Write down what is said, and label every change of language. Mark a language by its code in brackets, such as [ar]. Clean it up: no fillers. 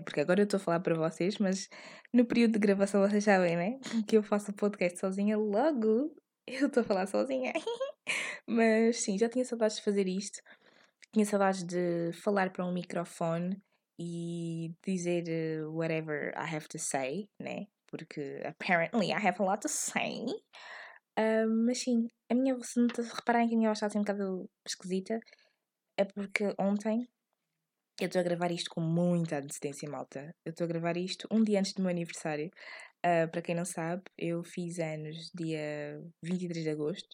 [pt] Porque agora eu estou a falar para vocês, mas no período de gravação vocês sabem, né? Que eu faço o podcast sozinha, logo eu estou a falar sozinha. Mas sim, já tinha saudades de fazer isto. Tinha saudades de falar para um microfone e dizer [en] whatever I have to say, [pt] né? Porque [en] apparently I have a lot to say. [pt] Mas sim, a minha, se não repararem que a minha voz está assim um bocado esquisita, é porque ontem, eu estou a gravar isto com muita antecedência, malta. Eu estou a gravar isto um dia antes do meu aniversário. Para quem não sabe, eu fiz anos dia 23 de agosto.